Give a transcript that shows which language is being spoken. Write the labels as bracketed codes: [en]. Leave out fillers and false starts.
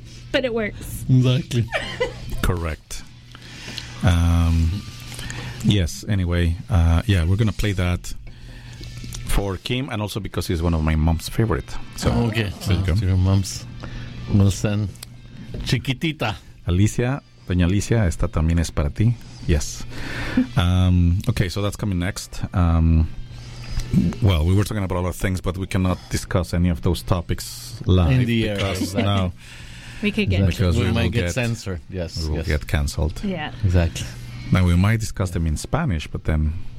[en] But it works. Exactly. Correct. Yes, anyway, we're going to play that for Kim, and also because he's one of my mom's favorite. So, okay, so to your mom's. We'll send Chiquitita. [es] Alicia, Doña Alicia, esta también es para ti. [en] Yes. Okay, so that's coming next. Well, we were talking about a lot of things, but we cannot discuss any of those topics live. In the air, exactly. No. We might get censored. We will get cancelled. Yeah. Exactly. Now, we might discuss them in Spanish, but then...